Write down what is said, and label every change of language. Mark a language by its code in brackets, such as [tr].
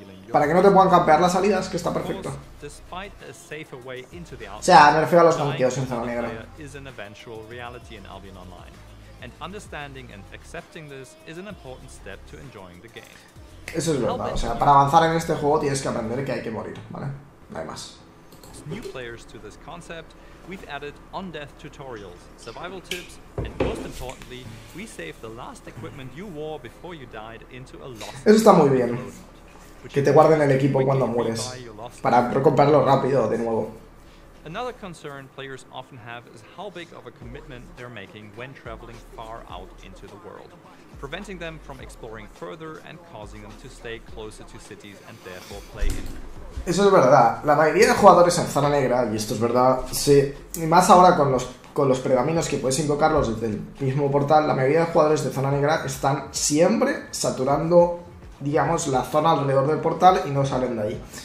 [es] Para que no te puedan campear las salidas, que está perfecto. O sea, me refiero a los campeos en zona negra. [en] Is an eventual reality in Albion Online. And understanding and accepting this is an important step to enjoying the game. [es] Eso es verdad, o sea, para avanzar en este juego tienes que aprender que hay que morir, ¿vale? No hay más. [en] New players to this concept, we've added on-death tutorials, survival tips, and most importantly, we saved the last equipment you wore before you died into a lost. [es] Eso está muy bien. Que te guarden el equipo cuando mueres para recuperarlo rápido de nuevo. [en] Another concern players often have is how big of a commitment they're making when traveling far out into the world, preventing them from exploring further and causing them to stay closer to cities and therefore play in. [es] Eso es verdad. La mayoría de jugadores en zona negra, y esto es verdad, sí, y más ahora con los pergaminos que puedes invocarlos desde el mismo portal, la mayoría de jugadores de zona negra están siempre saturando, digamos, la zona alrededor del portal y no salen de ahí.